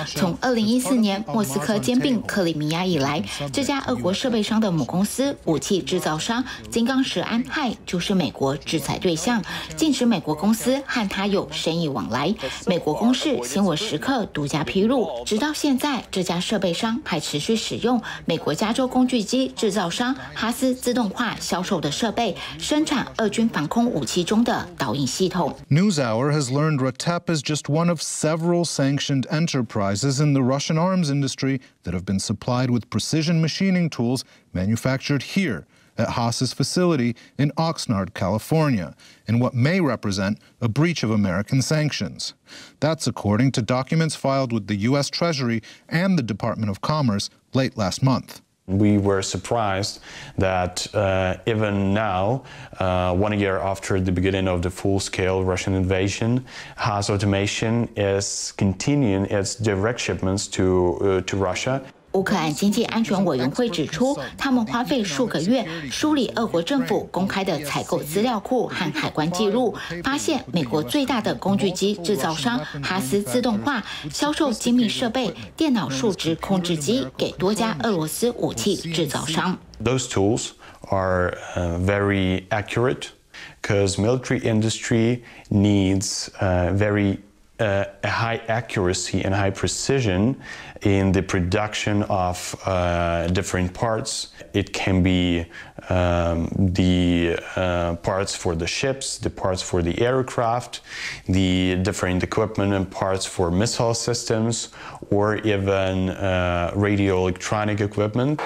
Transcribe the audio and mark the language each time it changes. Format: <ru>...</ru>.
<zh>从2014年莫斯科兼并克里米亚以来，这家俄国设备商的母公司、武器制造商金刚石安泰就是美国制裁对象，禁止美国公司和他有生意往来。美国公事新闻时刻独家披露，直到现在，这家设备商还持续使用美国加州工具机制造商哈斯自动化销售的设备，生产俄军防空武器中的导引系统。</zh> <en>NewsHour has learned Raytab is just one of several sanctioned enterprises in the Russian arms industry that have been supplied with precision machining tools manufactured here at Haas's facility in Oxnard, California, in what may represent a breach of American sanctions. That's according to documents filed with the U.S. Treasury and the Department of Commerce late last month. We were surprised that even now, 1 year after the beginning of the full-scale Russian invasion, Haas Automation is continuing its direct shipments to Russia.</en> <zh>乌克兰经济安全委员会指出，他们花费数个月梳理俄国政府公开的采购资料库和海关记录，发现美国最大的工具机制造商哈斯自动化销售精密设备、电脑数值控制机给多家俄罗斯武器制造商。</zh> <en>Those tools are very accurate because military industry needs very a high accuracy and high precision in the production of different parts. It can be parts for the ships, the parts for the aircraft, the different equipment and parts for missile systems, or even radio electronic equipment.</en>